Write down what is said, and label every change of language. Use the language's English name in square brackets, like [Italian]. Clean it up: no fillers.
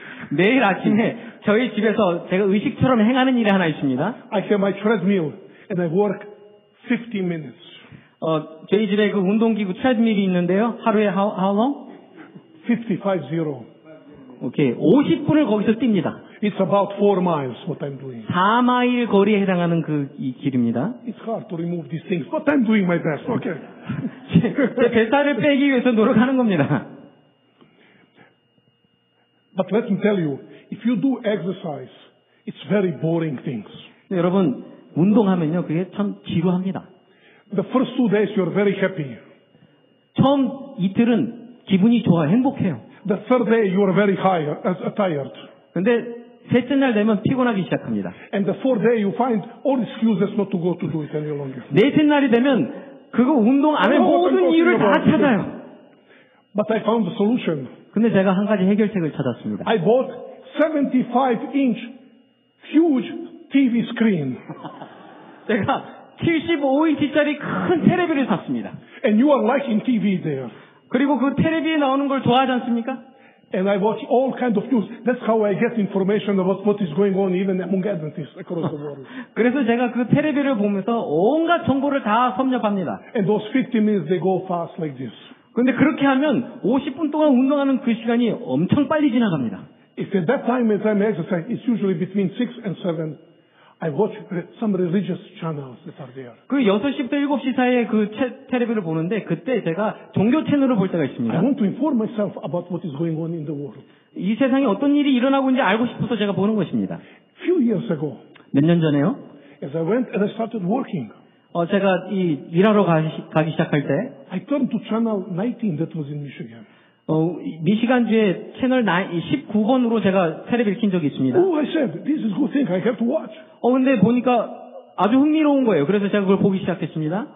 [Korean] 매일 아침에 저희 집에서 제가 의식처럼 행하는 일이 하나 있습니다. [English] I have my treadmill and I work 50 minutes. [Korean] 저희 집에 그 운동기구 트레드밀이 있는데요. 하루에 [English] how long? 55.0. [Korean] 오케이. 50분을 거기서 뜁니다. [English] It's about 4 miles what I'm doing. [Korean] 4마일 거리에 해당하는 그 이 길입니다. [English] It's hard to remove these things, but I'm doing my best. Okay. [Korean] 제 뱃살을 빼기 위해서 노력하는 겁니다. [English] But let me tell you, if you do exercise, it's very boring things. [Korean] 네, 여러분, 운동하면요. 그게 참 지루합니다. [English] The first 2 days you are very happy. [Korean] 처음 이틀은 기분이 좋아 행복해요. [English] The third day you are very tired. [Korean] 근데 셋째 날 되면 피곤하기 시작합니다. [English] And the fourth day you find all excuses not to go to do it any longer. [Korean] 넷째 날이 되면 그거 운동 안 해 모든 이유를 다 찾아요. [English] But I found the solution. [Korean] 근데 제가 한 가지 해결책을 찾았습니다. [English] I bought 75-inch huge TV screen. [Korean] 제가 75인치짜리 큰 테레비를 샀습니다. [English] And you are liking TV there. [Korean] 그리고 그 테레비에 나오는 걸 좋아하지 않습니까? [English] And I watch all kinds of news. That's how I get information about what is going on even among Adventists across the world. [Korean] 그래서 제가 그 테레비를 보면서 온갖 정보를 다 섭렵합니다. [English] And those 50 minutes they go fast like this. [Korean] 근데 그렇게 하면 50분 동안 운동하는 그 시간이 엄청 빨리 지나갑니다. [English] If at that time as I'm exercising, it's usually between 6 and 7. I watch some religious channels that are there. [Korean] 그 6시부터 7시 사이에 그 텔레비를 보는데 그때 제가 종교 채널을 볼 때가 있습니다. [English] I want to inform myself about what is going on in the world. [Korean] 이 세상에 어떤 일이 일어나고 있는지 알고 싶어서 제가 보는 것입니다. [English] Few years ago. [Korean] 몇 년 전에요? [English] As I went and I started working. [Korean] 제가 이 일하러 가기 시작할 때 [English] I turned to channel 19 that was in Michigan. [Korean] 미시간주에 채널 19번으로 제가 테레비를 킨 적이 있습니다. [English] Oh, I said, this is a good thing. I have to watch. [Korean] 근데 보니까 아주 흥미로운 거예요. 그래서 제가 그걸 보기 시작했습니다.